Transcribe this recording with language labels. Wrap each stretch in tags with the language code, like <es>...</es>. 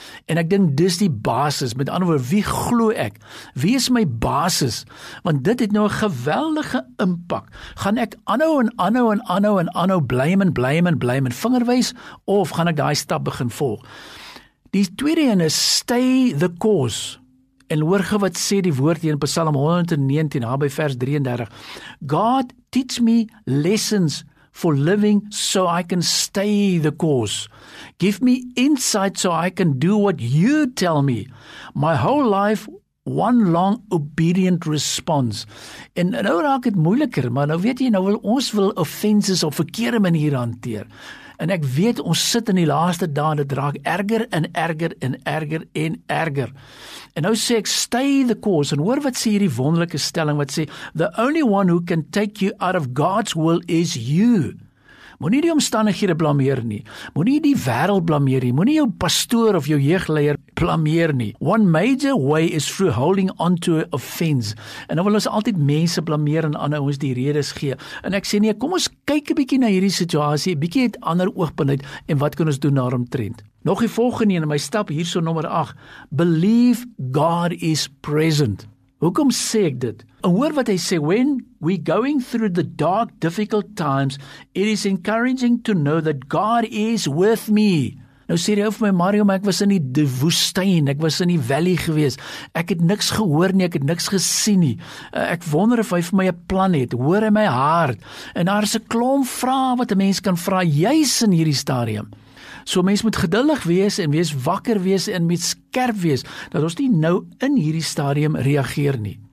<af>en ek dink dis die basis, met ander woord, wie glo ek, wie is my basis, want dit het nou 'n geweldige impak, gaan ek aanhou en aanhou en aanhou en aanhou blame en blame en blame en vingerwys, of gaan ek daai stap begin volg, die tweede een is</af> <en>stay the course,</en> <af>en hoor ge wat sê die woord hier in Psalm 119, daar by vers 33,</af> <en>God teach me lessons, for living so I can stay the course. Give me insight so I can do what you tell me. My whole life, one long obedient response.</en> <af>En nou raak het moeiliker, maar nou weet jy, nou wil ons wil offenses op verkeerde manier hanteer. En ek weet, ons sit in die laaste dae, dit raak erger en erger en erger en erger. En nou sê ek,</af> <en>stay the course.</en> <af>En hoor wat sê hierdie wonderlike stelling, wat sê,</af> <en>the only one who can take you out of God's will is you.</en> <af>Moet nie die omstandighede blameer nie. Moet nie die wêreld blameer nie. Moet nie jou pastoor of jou jeugleier blameer nie.</af> <en>One major way is through holding on to offense.</en> <af>En nou wil ons altyd mense blameer en ander ons die redes gee. En ek sê nie, kom ons kyk 'n bietjie na hierdie situasie, 'n bietjie het ander oogpunt uit en wat kan ons doen daaromtrent. Nog die volgende een, my stap hierso nommer 8.</af> <en>Believe God is present.</en> <af>Hoekom sê ek dit? En hoor wat hy sê,</af> <en>when we going through the dark, difficult times, it is encouraging to know that God is with me.</en> <af>Nou sê hy vir my, Mario, maar ek was in die woestyn, ek was in die valley gewees, ek het niks gehoor nie, ek het niks gesien nie, ek wonder of hy vir my 'n plan het, hoor in my hart, en daar is 'n klomp vrae wat 'n mens kan vra, juis in hierdie stadium. So mens moet geduldig wees en wees wakker wees en moet skerp wees, dat ons nie nou in hierdie stadium reageer nie.</af>